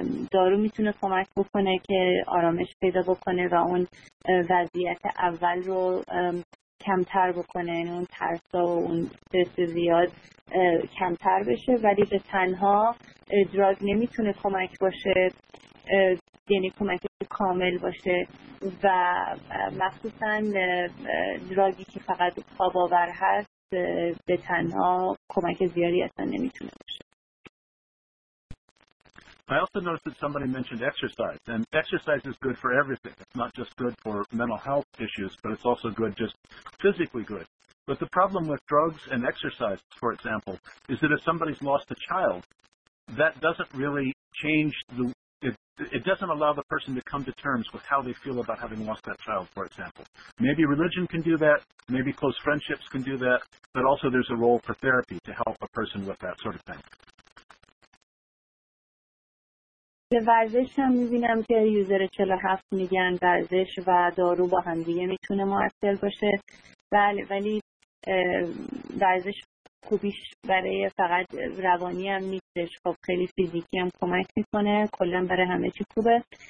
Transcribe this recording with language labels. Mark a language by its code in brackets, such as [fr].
[fa] دارو میتونه کمک بکنه که آرامش پیدا بکنه و اون وضعیت اول رو کمتر بکنه، یعنی اون ترسا و اون ترس زیاد کمتر بشه، ولی به تنها دراگ نمیتونه کمک باشه، یعنی کمک کامل باشه، و مخصوصا دراگی که فقط خواب‌آور هست به تنها کمک زیادی اصلا نمیتونه باشه. [en] I also noticed that somebody mentioned exercise, and exercise is good for everything. It's not just good for mental health issues, but it's also good, just physically good. But the problem with drugs and exercise, for example, is that if somebody's lost a child, that doesn't really change the, it doesn't allow the person to come to terms with how they feel about having lost that child, for example. Maybe religion can do that, maybe close friendships can do that, but also there's a role for therapy to help a person with that sort of thing. [fa] به ورزش هم میبینم که یوزر 47 میگن ورزش و دارو با هم دیگه میتونه مؤثر باشه. بله، ولی ورزش خوبیش برای فقط روانی هم نیستش، خب خیلی فیزیکی هم کمک میکنه، کلا برای همه چی خوبه.